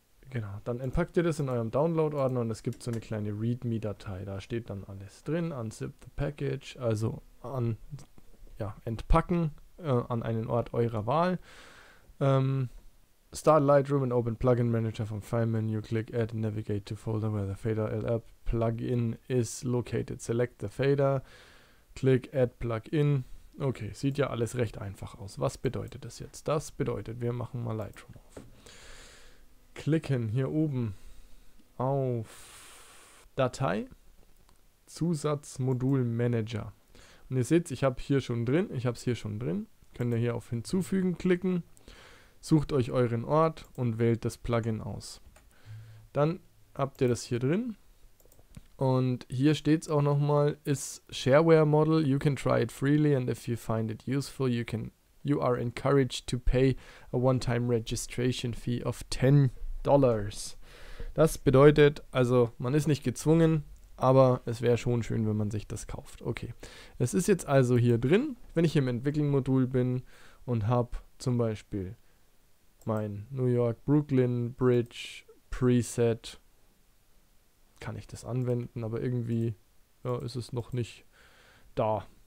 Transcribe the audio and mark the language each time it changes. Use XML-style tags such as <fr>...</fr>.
<de>Genau, dann entpackt ihr das in eurem Download-Ordner und es gibt so eine kleine README-Datei. Da steht dann alles drin,</de> <en>unzip the package,</en> <de>also an. Ja, entpacken an einen Ort eurer Wahl.</de> <en>Start Lightroom and open Plugin Manager vom File Menu. Click Add and Navigate to Folder where the Fader LR Plugin is located. Select the Fader. Click Add Plugin.</en> <de>Okay, sieht ja alles recht einfach aus. Was bedeutet das jetzt? Das bedeutet, wir machen mal Lightroom auf. Klicken hier oben auf Datei, Zusatzmodul Manager. Und ihr seht, ich habe es hier schon drin. Könnt ihr hier auf Hinzufügen klicken, sucht euch euren Ort und wählt das Plugin aus. Dann habt ihr das hier drin. Und hier steht es auch nochmal:</de> <en>Is Shareware Model. You can try it freely and if you find it useful, you are encouraged to pay a one-time registration fee of $10.</en> <de>Das bedeutet, also man ist nicht gezwungen. Aber es wäre schon schön, wenn man sich das kauft. Okay, es ist jetzt also hier drin, wenn ich im Entwicklungsmodul bin und habe zum Beispiel mein New York Brooklyn Bridge Preset, kann ich das anwenden, aber irgendwie ja, ist es noch nicht da.</de>